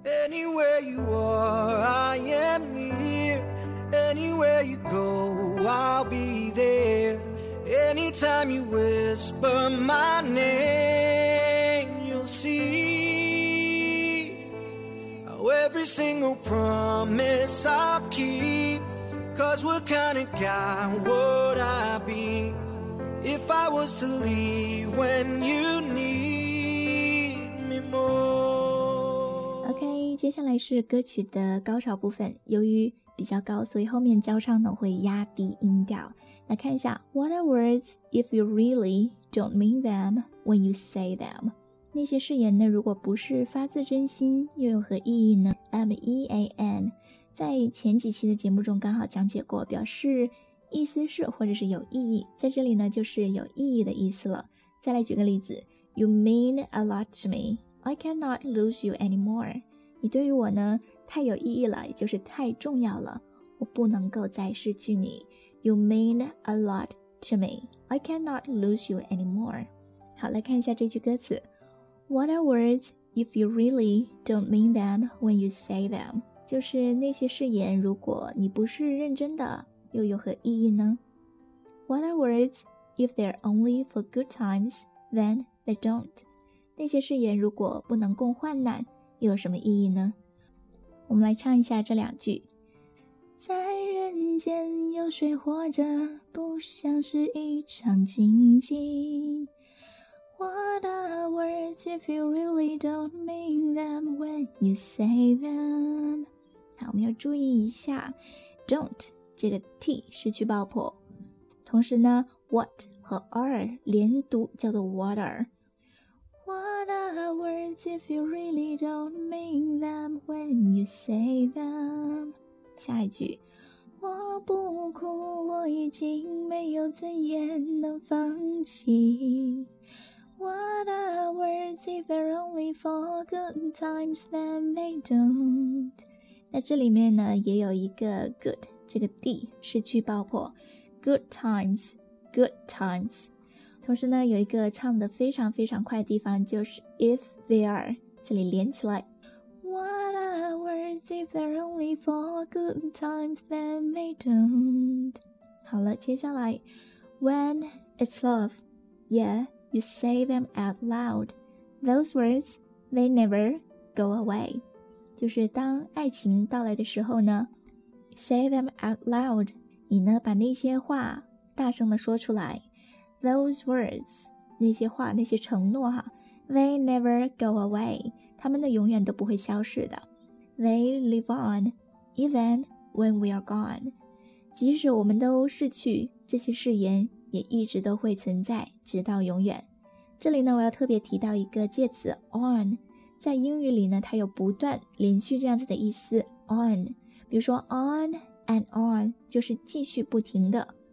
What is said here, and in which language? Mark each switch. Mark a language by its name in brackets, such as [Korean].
[English] Anywhere you are, I am near Anywhere you go, I'll be there Anytime you whisper my name, you'll seeEvery single promise I'll keep Cause what kind of guy would I be If I was to leave when you need me more [Chinese] OK, 接下来是歌曲的高潮部分由于比较高所以后面交唱呢会压低音调来看一下 [English] What are words if you really don't mean them when you say them? [Chinese] 那些誓言呢如果不是发自真心又有何意义呢 ?M-E-A-N 在前几期的节目中刚好讲解过表示意思是或者是有意义在这里呢就是有意义的意思了再来举个例子 [English] You mean a lot to me I cannot lose you anymore [Chinese] 你对于我呢太有意义了也就是太重要了我不能够再失去你 You mean a lot to me I cannot lose you anymore 好来看一下这句歌词 [English] What are words if you really don't mean them when you say them? [Chinese] 就是那些誓言如果你不是认真的又有何意义呢 [English] What are words if they're only for good times, then they don't? [Chinese] 那些誓言如果不能共患难又有什么意义呢我们来唱一下这两句在人间有谁活着不像是一场竞技 [English] What are words if you really don't mean them when you say them? [Chinese] 好，我们要注意一下 don't 这个 t 失去爆破。同时呢 ,what 和 are 连读叫做 water。 [English] What are words if you really don't mean them when you say them? [Chinese] 下一句。我不哭我已经没有尊严能放弃。 [English] What are words if they're only for good times, then they don't [Chinese] 那这里面呢也有一个 good 这个 d 失去爆破 Good times, good times 同时呢有一个唱得非常非常快的地方就是 if they are 这里连起来 [English] What are words if they're only for good times, then they don't [Chinese] 好了接下来 [English] When it's love, yeahYou say them out loud. Those words, they never go away. [Chinese] 就是当爱情到来的时候呢 [English] say them out loud. [Chinese] 你呢把那些话大声地说出来 [English] Those words, [Chinese] 那些话那些承诺哈 [English] they never go away. [Chinese] 他们呢永远都不会消失的 [English] They live on, even when we are gone. [Chinese] 即使我们都逝去这些誓言也一直都会存在直到永远这里呢我要特别提到一个介词 on 在英语里呢它有不断连续这样子的意思 on 比如说 on and on 就是继续不停的